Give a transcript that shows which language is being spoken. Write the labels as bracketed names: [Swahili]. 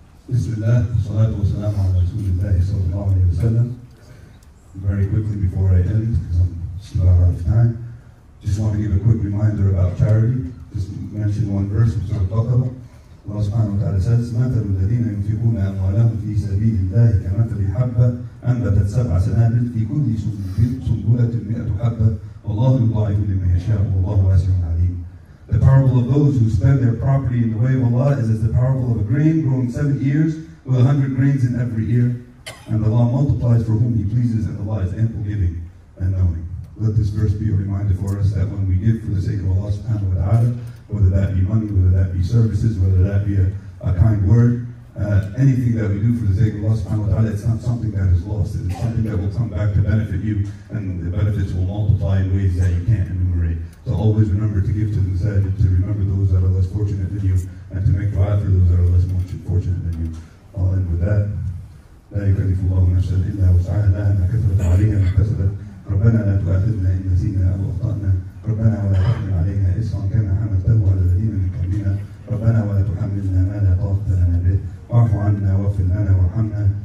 [Arabic] بسم الله والصلاة والسلام على رسول الله صلى الله عليه وسلم. [English] Very quickly before I end, because I'm about out of time, just want to give a quick reminder about charity. Just mention one verse from Surah Al-Baqarah. Allah subhanahu wa ta'ala says, [Arabic] مَثَلُ الَّذِينَ يُنْفِقُونَ أَمْوَالَهُمْ فِي سَبِيلِ اللَّهِ كَمَثَلِ حَبَّةٍ أَنْبَتَتْ سَبْعَ سَنَابِلَ فِي كُلِّ سُنْبُلَةٍ مِائَةُ حَبَّةٍ وَاللَّهُ يُضَاعِفُ لِمَنْ يَشَاءُ وَاللَّهُ وَاسِعٌ عَلِيمٌ. [English] The parable of those who spend their property in the way of Allah is as the parable of a grain growing 7 ears with 100 grains in every ear. And Allah multiplies for whom He pleases, and Allah is ample giving and knowing. Let this verse be a reminder for us that when we give for the sake of Allah subhanahu wa ta'ala, whether that be money, whether that be services, whether that be a kind word, anything that we do for the sake of Allah subhanahu wa ta'ala, it's not something that is lost. It is something that will come back to benefit you, and the benefits will multiply in ways that you can't enumerate. So always remember to give to the masajid, to remember those that are less fortunate than you, and to make dua for those that are less fortunate than you. I'll end with that. [Arabic] لا يكلف الله نفسا إلا وسعها لها ما كثرت عليها ما كسبت. ربنا لا تؤاخذنا إن نسينا أو أخطأنا. ربنا ولا تحمل علينا إصرا كما حملته على الذين من قبلنا. ربنا ولا تحملنا ما لا طاقة لنا به. واعف عنا واغفر لنا وارحمنا.